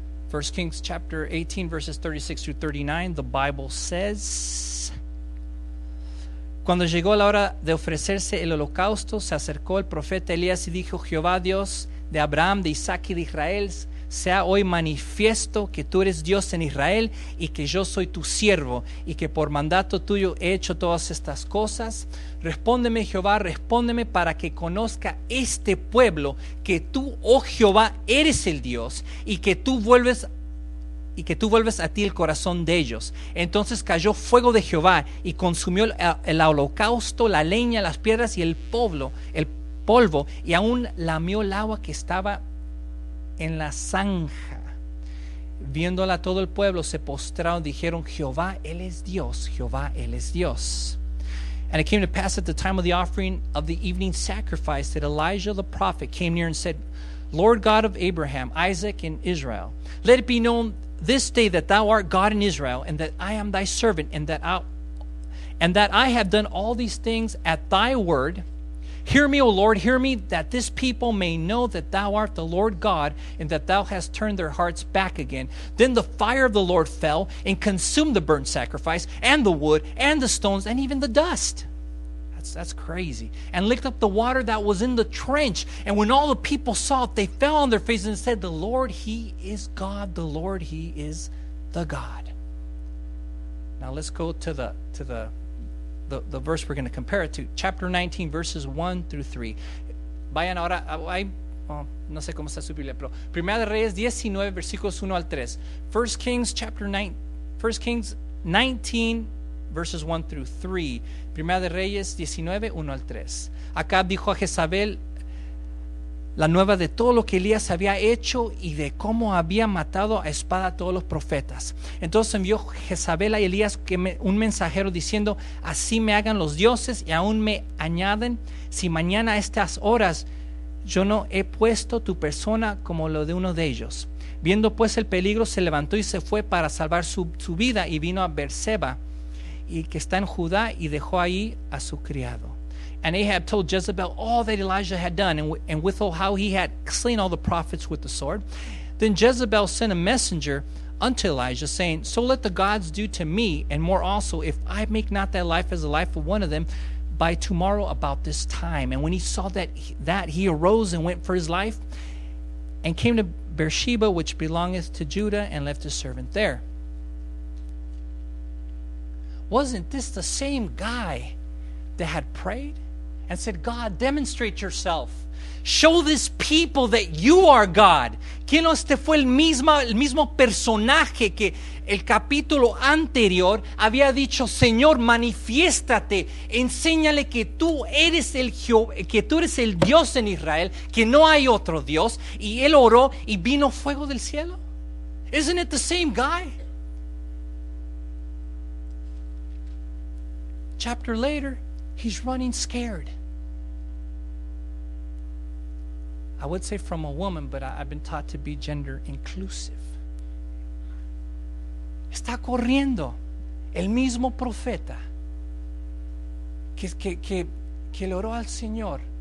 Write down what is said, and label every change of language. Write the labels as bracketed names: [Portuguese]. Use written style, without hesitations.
[English] First Kings chapter 18, verses 36 through 39, the Bible says, [Spanish] cuando llegó la hora de ofrecerse el holocausto, se acercó el profeta Elías y dijo, Jehová Dios de Abraham, de Isaac y de Israel, sea hoy manifiesto que tú eres Dios en Israel y que yo soy tu siervo y que por mandato tuyo he hecho todas estas cosas. Respóndeme, Jehová, respóndeme para que conozca este pueblo que tú, oh Jehová, eres el Dios y que tú vuelves a ti el corazón de ellos. Entonces cayó fuego de Jehová y consumió el holocausto, la leña, las piedras y el polvo, y aún lamió el agua que estaba en la zanja. Viéndola todo el pueblo, se postraron, dijeron, Jehová, Él es Dios, Jehová, Él es Dios. [English] And it came to pass at the time of the offering of the evening sacrifice that Elijah the prophet came near and said, Lord God of Abraham, Isaac, and Israel, let it be known this day that thou art God in Israel, and that I am thy servant, and that I have done all these things at thy word. Hear me, O Lord, hear me, that this people may know that thou art the Lord God, and that thou hast turned their hearts back again. Then the fire of the Lord fell and consumed the burnt sacrifice, and the wood, and the stones, and even the dust. That's crazy. And licked up the water that was in the trench. And when all the people saw it, they fell on their faces and said, The Lord, He is God. The Lord, He is the God. Now let's go to the verse we're going to compare it to. Chapter 19, verses 1 through 3. [Spanish] Vayan ahora. No sé cómo está su Biblia, pero Primera de Reyes 19, versículos 1 al 3. [English] First Kings chapter 9. First Kings 19, verses 1 through 3. [Spanish] Primera de Reyes 19, 1 al 3. Acab dijo a Jezabel la nueva de todo lo que Elías había hecho y de cómo había matado a espada a todos los profetas. Entonces envió Jezabel a Elías un mensajero diciendo, así me hagan los dioses y aún me añaden, si mañana a estas horas yo no he puesto tu persona como lo de uno de ellos. Viendo pues el peligro, se levantó y se fue para salvar su vida y vino a Beerseba, y que está en Judá, y dejó ahí a su criado. [English] And Ahab told Jezebel all that Elijah had done, and withal how he had slain all the prophets with the sword. Then Jezebel sent a messenger unto Elijah, saying, So let the gods do to me, and more also, if I make not thy life as the life of one of them by tomorrow about this time. And when he saw that he arose and went for his life, and came to Beersheba, which belongeth to Judah, and left his servant there. Wasn't this the same guy that had prayed and said, God, demonstrate yourself. Show this people that you are God. [Spanish] ¿Quién no este fue el mismo personaje que el capítulo anterior había dicho, Señor, manifiéstate, enséñale que tú eres el Dios en Israel, que no hay otro Dios? Y él oró y vino fuego del cielo. [English] Isn't it the same guy? Chapter later, he's running scared. I would say from a woman, but I've been taught to be gender inclusive. [Spanish] Está corriendo el mismo profeta que le oró al Señor.